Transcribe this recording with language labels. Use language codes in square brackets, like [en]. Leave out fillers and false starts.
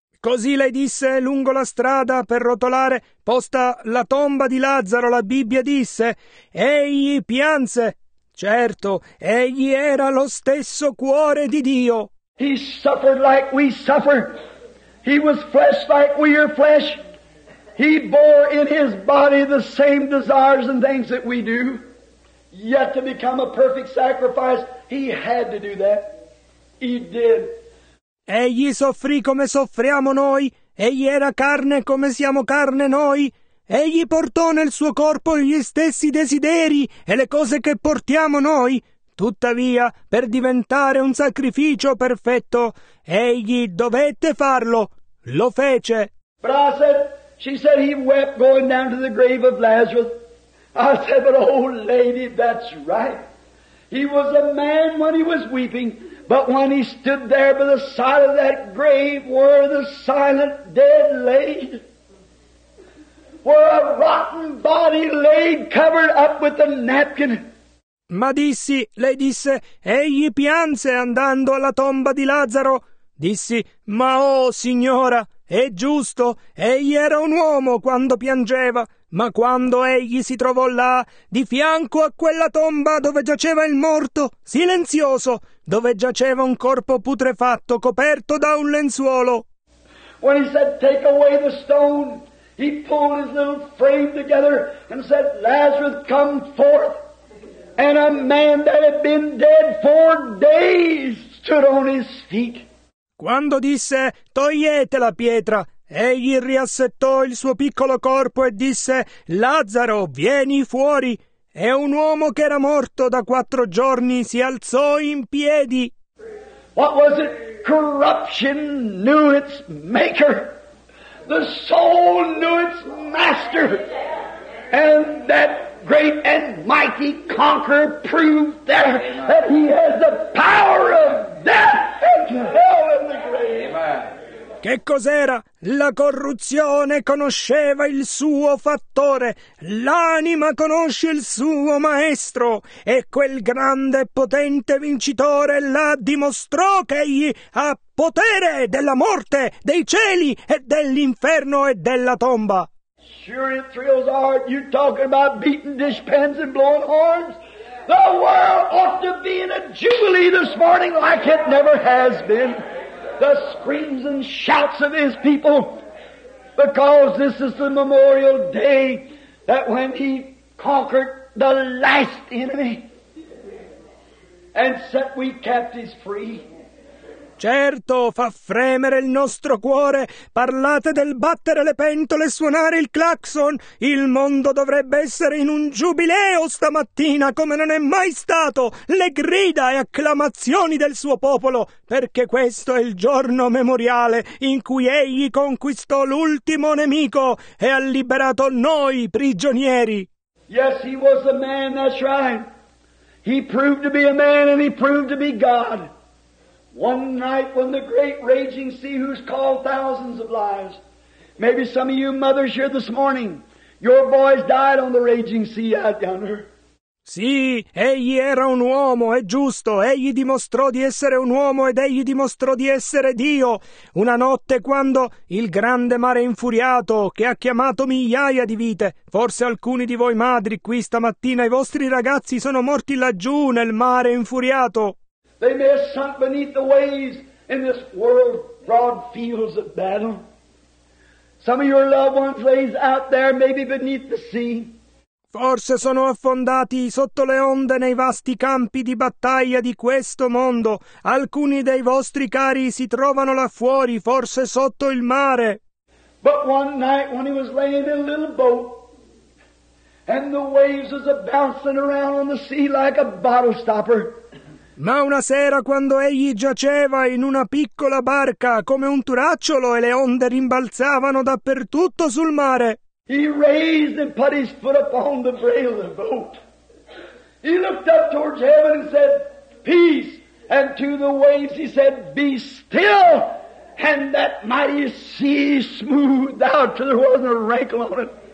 [it] Così lei disse, lungo la strada per rotolare posta la tomba di Lazzaro, la Bibbia disse, egli pianse. Certo, egli era lo stesso cuore di Dio. [en] He suffered like we suffer. He was flesh like we are flesh. He bore in his body the same desires and things that we do. Yet to become a perfect sacrifice, he had to do that. He did. [it] Egli soffrì come soffriamo noi, egli era carne come siamo carne noi, egli portò nel suo corpo gli stessi desideri e le cose che portiamo noi. Tuttavia, per diventare un sacrificio perfetto, egli dovette farlo, lo fece. [en] But I said, she said he wept going down to the grave of Lazarus. I said, but old lady, that's right. He was a man when he was weeping. But when he stood there by the side of that grave where the silent dead lay, where a rotten body lay covered up with a napkin. [it] Ma dissi, lei disse, egli pianse andando alla tomba di Lazzaro. Dissi, ma oh signora, è giusto, egli era un uomo quando piangeva. Ma quando egli si trovò là, di fianco a quella tomba dove giaceva il morto, silenzioso, dove giaceva un corpo putrefatto coperto da un lenzuolo. [en] When he said, take away the stone, he pulled his little frame together and said, Lazarus, come forth. And a man that had been dead 4 days stood on his feet. [it] Quando disse, togliete la pietra, egli riassettò il suo piccolo corpo e disse, Lazzaro, vieni fuori. E un uomo che era morto da 4 giorni si alzò in piedi. [en] What was it? Corruption knew its maker. The soul knew its master. And that great and mighty conqueror proved there that he has the power of death and hell in the grave. Amen. [it] Che cos'era? La corruzione conosceva il suo fattore, l'anima conosce il suo maestro, e quel grande e potente vincitore la dimostrò che egli ha potere della morte, dei cieli e dell'inferno e della tomba. [en] Sure it thrills our heart, you talking about beating dish pans and blowing horns? The world ought to be in a jubilee this morning like it never has been. The screams and shouts of his people, because this is the memorial day that when he conquered the last enemy and set we captives free. [it] Certo, fa fremere il nostro cuore. Parlate del battere le pentole, suonare il clacson. Il mondo dovrebbe essere in un giubileo stamattina come non è mai stato. Le grida e acclamazioni del suo popolo, perché questo è il giorno memoriale in cui egli conquistò l'ultimo nemico e ha liberato noi prigionieri. [en] Yes, he was a man, that's right. He proved to be a man and he proved to be God. One night when the great raging sea who's called thousands of lives, maybe some of you mothers here this morning, your boys died on the raging sea out yonder. [it] Sì, egli era un uomo, è giusto, egli dimostrò di essere un uomo ed egli dimostrò di essere Dio. Una notte quando il grande mare infuriato che ha chiamato migliaia di vite, forse alcuni di voi madri qui stamattina, i vostri ragazzi sono morti laggiù nel mare infuriato. [en] They may have sunk beneath the waves in this world broad fields of battle. Some of your loved ones lay out there, maybe beneath the sea. [it] Forse sono affondati sotto le onde nei vasti campi di battaglia di questo mondo. Alcuni dei vostri cari si trovano là fuori, forse sotto il mare. [en] But one night when he was laying in a little boat, and the waves was a bouncing around on the sea like a bottle stopper. [it] Ma una sera quando egli giaceva in una piccola barca come un turacciolo e le onde rimbalzavano dappertutto sul mare. [en] He raised and put his foot upon the rail of the boat. He looked up towards heaven and said, "Peace." And to the waves he said, "Be still." And that mighty sea smoothed out till there wasn't a wrinkle on it.